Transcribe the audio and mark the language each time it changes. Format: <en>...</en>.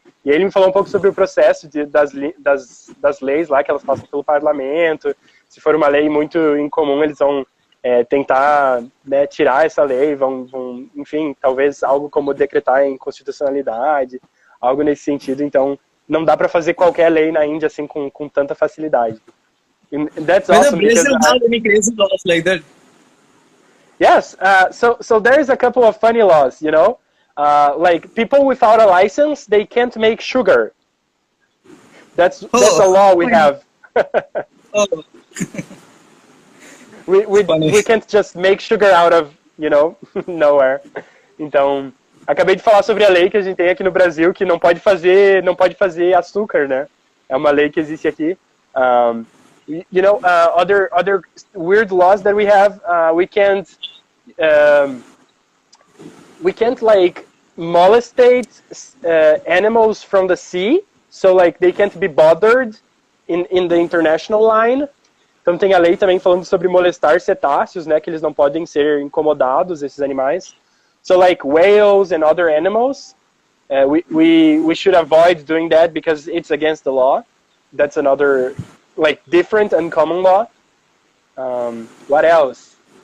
<pt>E ele me falou um pouco sobre o processo das leis lá, que elas passam pelo parlamento. Se for uma lei muito incomum, eles vão tentar, né, tirar essa lei, vão, enfim, talvez algo como decretar inconstitucionalidade, algo nesse sentido, então... Não dá para fazer qualquer lei na Índia assim com tanta facilidade.</pt> <en>And that's awesome. Brazil doesn't have any crazy laws like that. Yes. So there is a couple of funny laws, you know? Like people without a license, they can't make sugar. That's a law we have. we can't just make sugar out of, you know, nowhere.</en> <pt>Então, acabei de falar sobre a lei que a gente tem aqui no Brasil, que não pode fazer açúcar, né? É uma lei que existe aqui.</pt> <en>You know, other weird laws that we have, we can't like molestate animals from the sea, so like they can't be bothered in the international line.</en> <pt>Então tem a lei também falando sobre molestar cetáceos, né? Que eles não podem ser incomodados, esses animais.</pt> <en>So like whales and other animals, we should avoid doing that because it's against the law. That's another like different and common law. What else?</en>